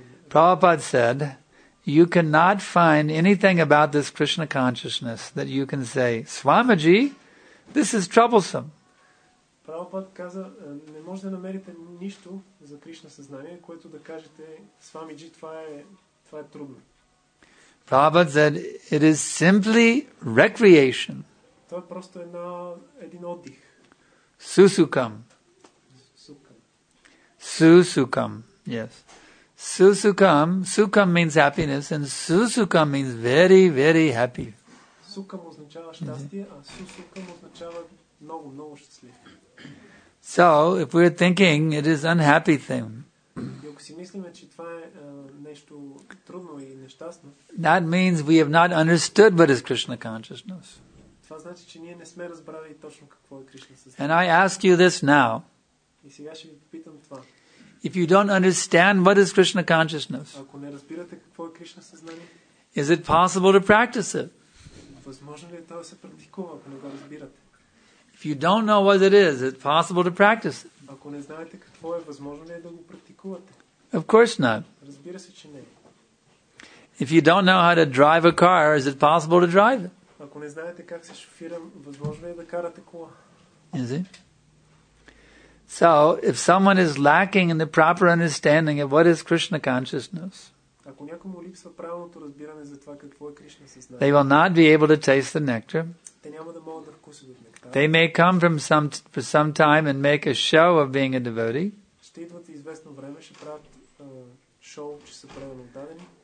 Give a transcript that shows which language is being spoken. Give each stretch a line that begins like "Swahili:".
English: Prabhupada said, you cannot find anything about this Krishna consciousness that you can say, Swamiji, this is troublesome.
Bulgarian: Prabhupada каза, не може да намерите нищо за Кришна съзнание, което да кажете, Swamiji, това е трудно.
English: Prabhupada said, it is simply recreation.
Bulgarian: Това е просто един отдих.
Sanskrit: Сусукам.
English: Сусукам, yes. Susukam, sukam means happiness, and susukam means very, very happy.
Bulgarian: Sukam означава щастие, а susukam означава много, много щастлив.
English: So, if we're thinking it is unhappy thing,
Bulgarian: ако си мислиме, че това е нещо трудно и нещастно,
English: that means we have not understood what is Krishna consciousness.
Bulgarian: Това значи, че ние не сме разбрали точно какво е Кришна съзнание.
English: And I ask you this now.
Bulgarian: И сега ще ви попитам това.
English: If you don't understand what is Krishna consciousness,
Bulgarian: ако не разбирате какво е Кришна съзнание,
English: is it possible to practice it?
Bulgarian: Възможно ли е това да се практикува, ако не го разбирате?
English: If you don't know what it is it possible to practice it?
Bulgarian: Ако не знаете какво е, възможно ли е да го практикувате?
English: Of course not.
Bulgarian: Разбира се, че не.
English: If you don't know how to drive a car, is it possible to drive it?
Bulgarian: Ако не знаете как се шофира, възможно ли е да карате кола?
English: Is it? So, if someone is lacking in the proper understanding of what is Krishna consciousness,
Bulgarian: ако някому липсва правилното разбиране за това какво е Кришна съзнание,
English: they will not be able to taste the nectar.
Bulgarian: Те няма да могат да вкусят от нектара.
English: They may come for some time and make a show of being a devotee.
Bulgarian: Ще идват известно време, ще правят шоу, че са правилно отдадени.